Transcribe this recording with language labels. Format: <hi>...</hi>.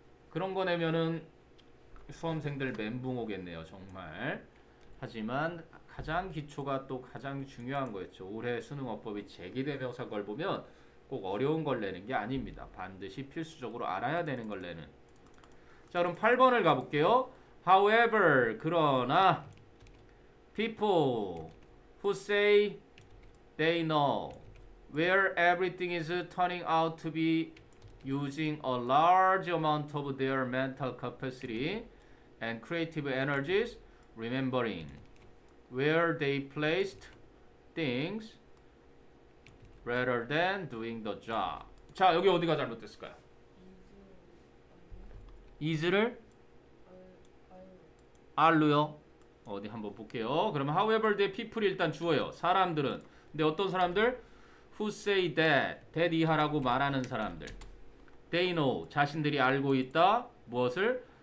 <ko>그런 거 내면은 수험생들 멘붕 오겠네요, 정말. 하지만 가장 기초가 또 가장 중요한 거였죠. 올해 수능어법이 제기대명사 걸 보면 꼭 어려운 걸 내는 게 아닙니다. 반드시 필수적으로 알아야 되는 걸 내는. 자, 그럼 8번을 가볼게요.</ko> <en>However,</en> <ko>그러나</ko> <en>people who say they know where everything is turning out to be using a large amount of their mental capacity and creative energies, remembering where they placed things rather than doing the job.</en> <ko>자, 여기 어디가 잘못됐을까요? 이즈를 알루요. 어디 한번 볼게요. 그러면</ko> <en>however the people</en> <ko>일단 주어요. 사람들은. 근데 어떤 사람들?</ko> <en>Who say that</en> <ko>이하라고 말하는 사람들.</ko> <en>They know</en> <ko>자신들이 알고 있다. 무엇을?</ko>